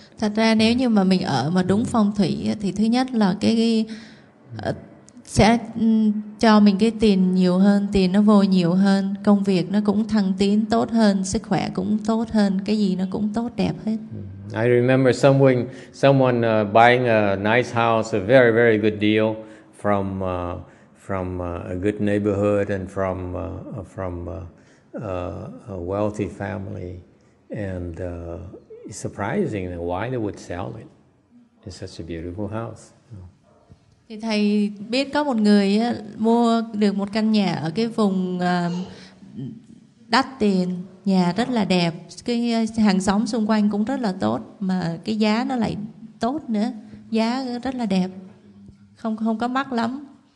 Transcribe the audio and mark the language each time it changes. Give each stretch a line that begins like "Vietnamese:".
Vietnamese: Thật ra nếu như mà mình ở mà đúng phong thủy thì thứ nhất là cái sẽ cho mình cái tiền nhiều hơn, tiền nó vô nhiều hơn, công việc nó cũng thăng tiến tốt hơn, sức khỏe cũng tốt hơn, cái gì nó cũng tốt đẹp hết.
English: I remember someone buying a nice house, a very very good deal from a good neighborhood and from a wealthy family, and surprising why they would sell it. It's such a beautiful house.
Vietnamese: Thì thầy biết có một người mua được một căn nhà ở cái vùng đắt tiền, nhà rất là đẹp, cái hàng xóm xung quanh cũng rất là tốt, mà cái giá nó lại tốt nữa, giá rất là đẹp, không có mắc lắm.